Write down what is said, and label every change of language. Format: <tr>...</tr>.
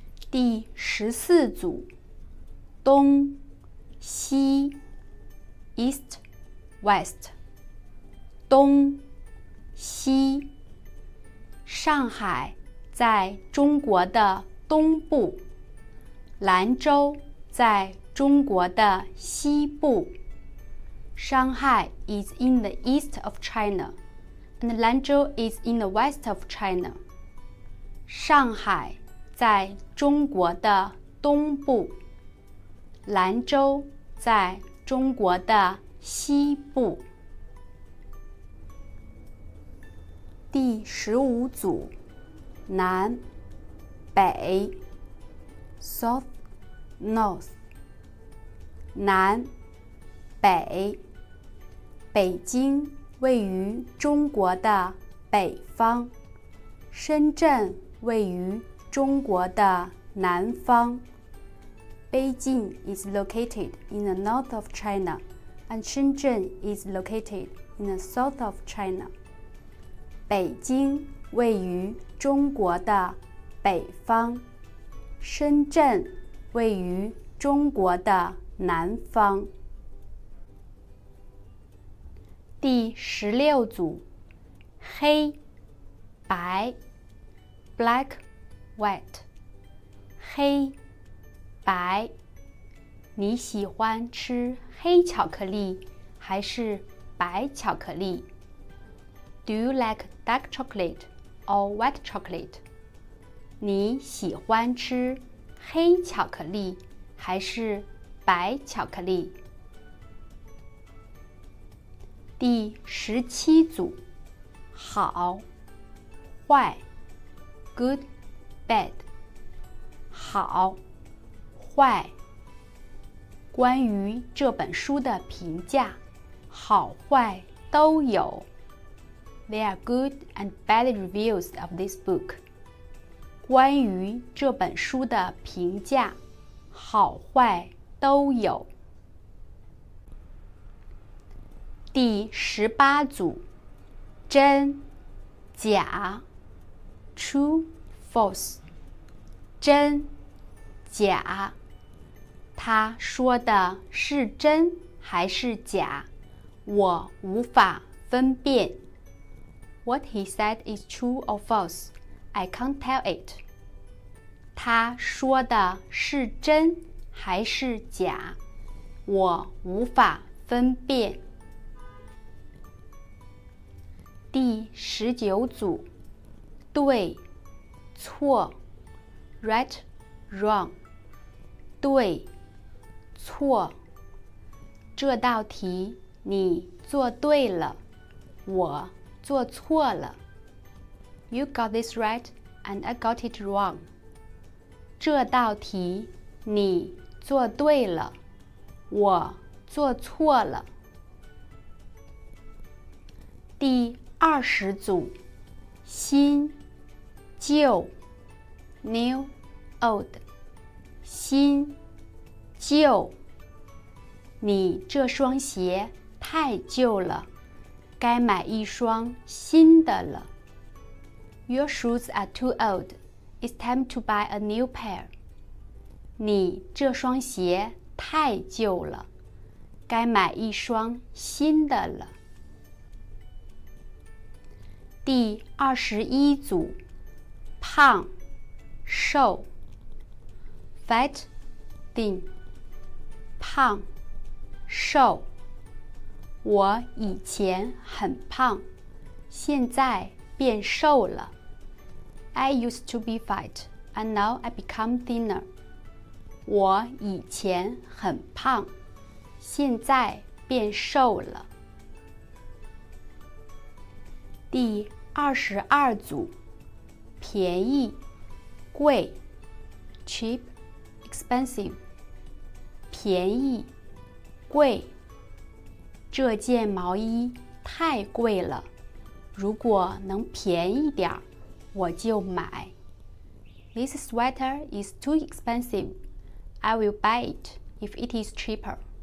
<zh>第十四组东西 East, West 东西上海在中国的东部，兰州在中国的西部。</zh> <en>Shanghai is in the east of China, and Lanzhou is in the west of China.</en> <zh>上海在中国的东部，兰州在中国的西部。第十五组，南、北 ，South, North， 南、北，北京位于中国的北方，深圳位于中国的南方。</zh> <en>Beijing is located in the north of China, and Shenzhen is located in the south of China.</en> <zh>北京位于中国的北方，深圳位于中国的南方。第十六组，黑、白 ，black, white， 黑、白。你喜欢吃黑巧克力还是白巧克力？</zh> <en>Do you like dark chocolate or white chocolate?</en> <zh>你喜欢吃黑巧克力还是白巧克力？第十七组，好、坏 ，good, bad， 好、坏。关于这本书的评价，好坏都有。</zh> <en>There are good and bad reviews of this book.</en> <zh>关于这本书的评价，好坏都有。第十八组，真、假 ，true, false， 真、假，他说的是真还是假，我无法分辨。</zh> <en>What he said is true or false, I can't tell it.</en> <zh>他说的是真还是假，我无法分辨。第十九组，对错 ，right wrong， 对错，这道题你做对了，我做错了。</zh> <en>You got this right, and I got it wrong。</en> <zh>这道题你做对了，我做错了。第二十组，新旧 ，new old， 新旧，你这双鞋太旧了，该买一双新的了。</zh> <en>Your shoes are too old. It's time to buy a new pair.</en> <zh>你这双鞋太旧了，该买一双新的了。第二十一组，胖，瘦 ，fat, thin， 胖，瘦。我以前很胖，现在变瘦了。</zh> <en>I used to be fat, and now I become thinner.</en> <zh>我以前很胖，现在变瘦了。第二十二组，便宜，贵 ，cheap, expensive， 便宜，贵。这件毛衣太贵了，如果能便宜点儿，我就买。</zh> <en>This sweater is too expensive. I will buy it if it is cheaper.</en>